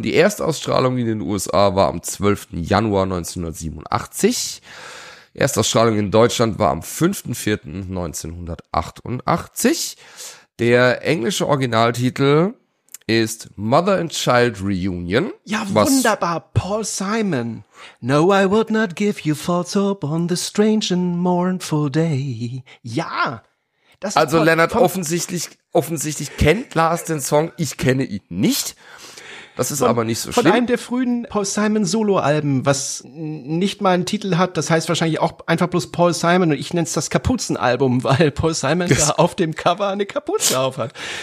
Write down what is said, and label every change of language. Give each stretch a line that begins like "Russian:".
German: Die Erstausstrahlung in den USA war am 12. Januar 1987. Erstausstrahlung in Deutschland war am 5.4.1988. Der englische Originaltitel ist Mother and Child Reunion. Ja, wunderbar, Paul Simon.
English: No, I would not give you false hope on this strange and mournful day.
German: Ja, das ist also Paul, Lennart, offensichtlich kennt Lars den Song, ich kenne ihn nicht. Das ist aber nicht so schlimm. Von einem der frühen Paul Simon Solo-Alben, was nicht mal einen Titel hat, das heißt wahrscheinlich auch einfach bloß Paul Simon und ich nenne es das Kapuzenalbum, weil Paul Simon da auf dem Cover eine Kapuze auf hat.